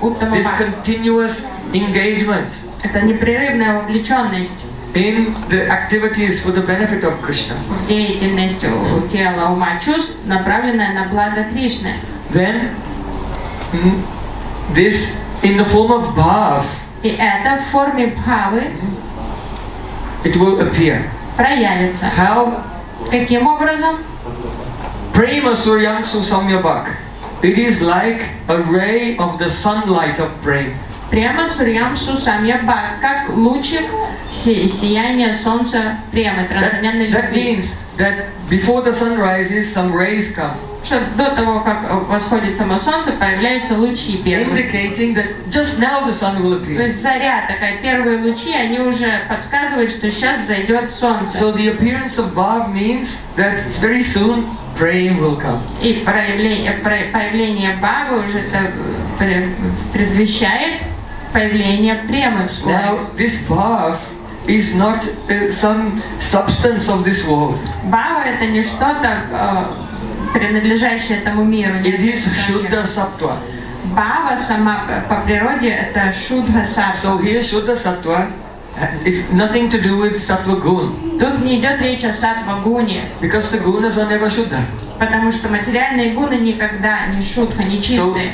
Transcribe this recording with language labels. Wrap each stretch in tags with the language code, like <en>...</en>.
<en>This continuous engagement.</en> <ru>Это непрерывная вовлеченность.</ru> <en>In the activities for the benefit of Krishna.</en> <ru>Деятельность тела, ума, чувств, направленная на благо Кришны.</ru> <en>Then, this in the form of bhav.</en> <ru>И это в форме бхавы.</ru> <en>It will appear.</en> <ru>Проявится.</ru> <en>How?</en> <ru>Каким образом?</ru> <sa>Prema Suryang Susamya Bhak.</sa> <en>It is like a ray of the sunlight of prema.</en> <ru>Према Сурьям Сусамья Бхак, как лучик сияния солнца премы, трансцендентной любви.</ru> <en>That means that before the sun rises, some rays come.</en> <ru>Что до того, как восходит само солнце, появляются лучи первые.</ru> <en>Indicating that just now the sun will appear.</en> <ru>То есть заря такая, первые лучи, они уже подсказывают, что сейчас зайдет солнце.</ru> <en>So the appearance of bhav means that it's very soon praying will come.</en> <ru>И появление бхавы уже это предвещает появление премы.</ru> <en>Now this bhav is not some substance of this world.</en> <ru>Бхава это не что-то принадлежащее этому миру.</ru> <en>It is Shuddha Sattva.</en> <ru>Бхава сама по природе это Shuddha Sattva.</ru> <en>So here Shuddha Sattva is nothing to do with Sattva Gun.</en> <ru>Тут не идет речь о Sattva Gune.</ru> <en>Because the Gunas are never Shuddha.</en> <ru>Потому что материальные гуны никогда не Shuddha, не чистые.</ru>